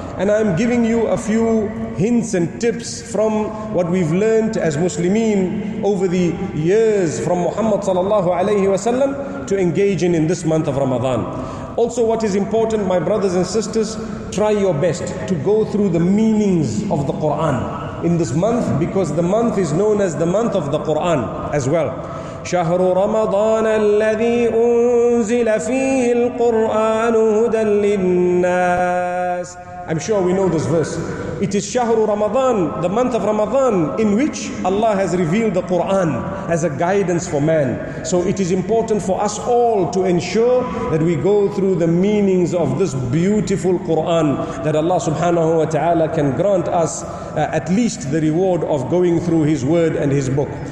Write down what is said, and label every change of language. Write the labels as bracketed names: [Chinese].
[English] And I'm giving you a few hints and tips from what we've learned as Muslimin over the years from Muhammad sallallahu alayhi wa sallam to engage in this month of Ramadan. Also, what is important, my brothers and sisters, try your best to go through the meanings of the Quran in this month, because the month is known as the month of the Quran as well. [Arabic] شهر رمضان الذي أنزل فيه القرآن هدى للناس. [English] I'm sure we know this verse. It is Shahru Ramadan, the month of Ramadan, in which Allah has revealed the Quran as a guidance for man. So it is important for us all to ensure that we go through the meanings of this beautiful Quran, that Allah subhanahu wa ta'ala can grant us at least the reward of going through His word and His book.